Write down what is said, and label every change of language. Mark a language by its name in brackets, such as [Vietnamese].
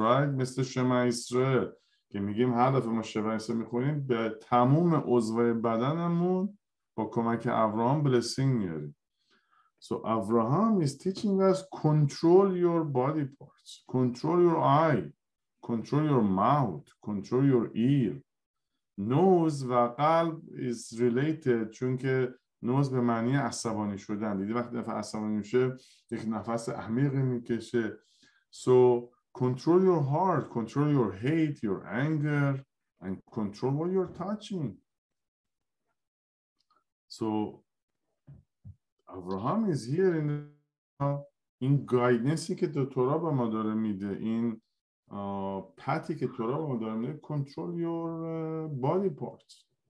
[Persian] مثل شما ایسرائیل که میگیم هر دفعه ما شما ایسرائیل میخونیم به تموم عضو بدنمون با کمک ابراهام blessing میاریم. [English] So Abraham is teaching us control your body parts, control your eye, control your mouth, control your ear. [Persian] Nose و قلب [English] is related [Persian] چون که nose به معنی عصبانی شدن. دیدی وقتی نفس عصبانی میشه یک نفس عمیق میکشه. [English] So control your heart, control your hate, your anger, and control what you're touching. So Abraham is here in [Persian] این guidance که تو تورا به ما داره میده، این پتی که تورا به ما داره میده، [English] control your body parts.